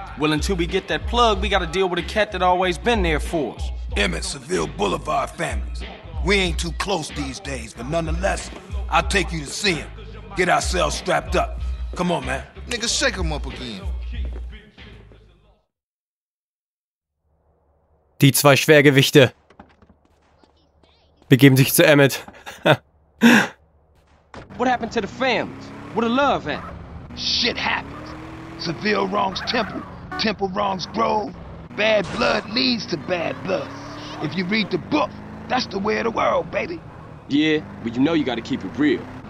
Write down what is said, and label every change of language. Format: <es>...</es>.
<en>Well, until we get that plug, we gotta deal with a cat that always been there for us. Emmett, Seville Boulevard families. We ain't too close these days, but nonetheless, I'll take you to see him. Get ourselves strapped up. Come on, man. Nigga, shake him up again.</en> <de>Die zwei Schwergewichte begeben sich zu Emmett.</de> <en>What happened to the families? Where the love at? Shit happens. Seville wrongs Temple. Temple wrongs Grove. Bad blood leads to bad blood. If you read the book, that's the way of the world, baby. Yeah, but you know you gotta keep it real.</en>